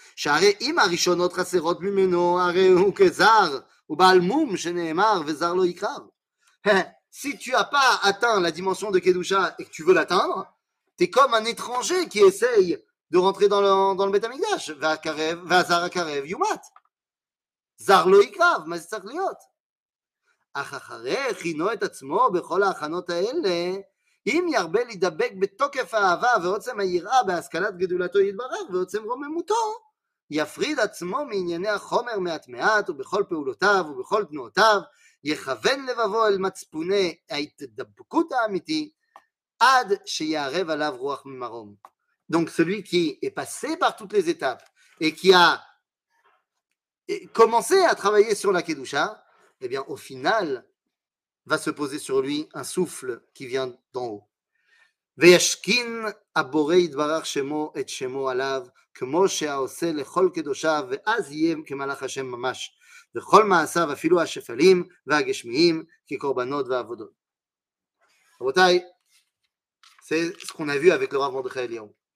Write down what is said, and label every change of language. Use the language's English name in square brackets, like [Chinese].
[Hebrew] שהרי אם הראשונות חסרות ממנו, הרי הוא כזר, הוא בעל מום שנאמר, וזר לא יקרב. [French] Si tu n'as pas atteint la dimension de Kedusha et que tu veux l'atteindre, tu es comme un étranger qui essaye de rentrer dans le Beth Amikdash. [Hebrew] וזר הקרב יומת. זר לא יקרב, מה זה צריך להיות? אך אחרי הכינו את עצמו בכל ההכנות האלה, אם ירבה להידבק בתוקף האהבה ועוצם היראה בהשכלת גדולתו יתברך ועוצם רוממותו, יפריד עצמו מענייני החומר מעט מעט ובכל פעולותיו ובכל תנועותיו, יכוון לבבו אל מצפוני ההתדבקות האמיתי עד שיערב עליו רוח ממרום. [French] Donc celui qui est passé par toutes les étapes et qui a commencé à travailler sur la Kedusha, eh bien au final va se poser sur lui un souffle qui vient d'en haut. [Hebrew] ויאשכין הבורא יתברך שמו את שמו עליו, כמו שהעושה לכל קדושיו, ואז יהיה כמלאך השם ממש, וכל מעשיו אפילו השפלים והגשמיים כקורבנות ועבודות. רבותיי, זה סכון הביאו אבק לרב מרדכי אליהו.